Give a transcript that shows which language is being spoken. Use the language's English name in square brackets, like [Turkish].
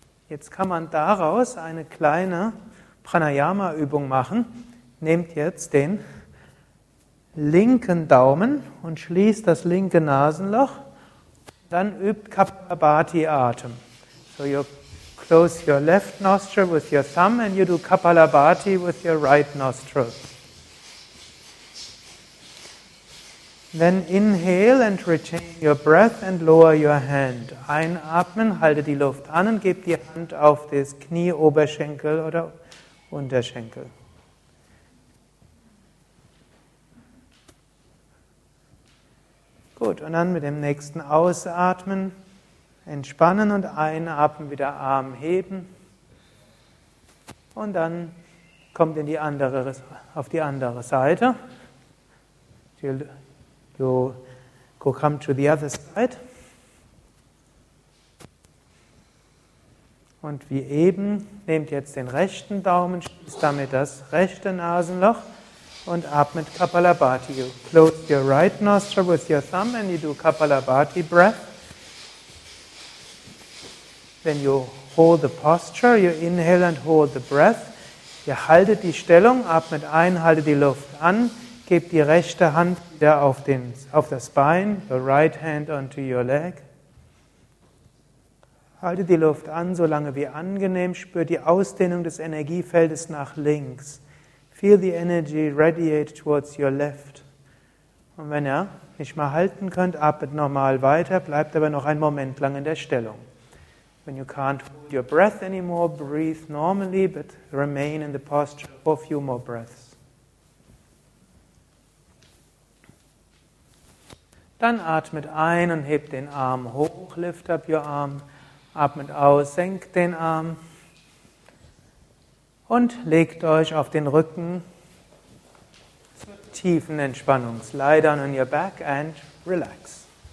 [German] Jetzt kann man daraus eine kleine Pranayama-Übung machen. Nehmt jetzt den linken Daumen und schließt das linke Nasenloch. Dann übt Kapalabhati-Atem. [English] So you close your left nostril with your thumb and you do Kapalabhati with your right nostril. Then inhale and retain your breath and lower your hand. [German] Einatmen, halte die Luft an und gib die Hand auf das Knie, Oberschenkel oder Unterschenkel. Gut, und dann mit dem nächsten Ausatmen entspannen und einatmen, wieder Arm heben. Und dann kommt in die andere, auf die andere Seite. [English] You come to the other side. [German] Und wie eben, nehmt jetzt den rechten Daumen, schließt damit das rechte Nasenloch und atmet Kapalabhati. [English] You close your right nostril with your thumb and you do Kapalabhati breath. Then you hold the posture, you inhale and hold the breath. [German] Ihr haltet die Stellung, atmet ein, haltet die Luft an. Gebt die rechte Hand wieder auf das Bein, [English] the right hand onto your leg. [German] Haltet die Luft an, so lange wie angenehm. Spürt die Ausdehnung des Energiefeldes nach links. [English] Feel the energy radiate towards your left. [German] Und wenn ihr nicht mehr halten könnt, atmet normal weiter, bleibt aber noch einen Moment lang in der Stellung. [English] When you can't hold your breath anymore, breathe normally, but remain in the posture for a few more breaths. [German] Dann atmet ein und hebt den Arm hoch, [English] lift up your arm, [German] atmet aus, senkt den Arm und legt euch auf den Rücken zur tiefen Entspannung. [English] Lie down on your back and relax.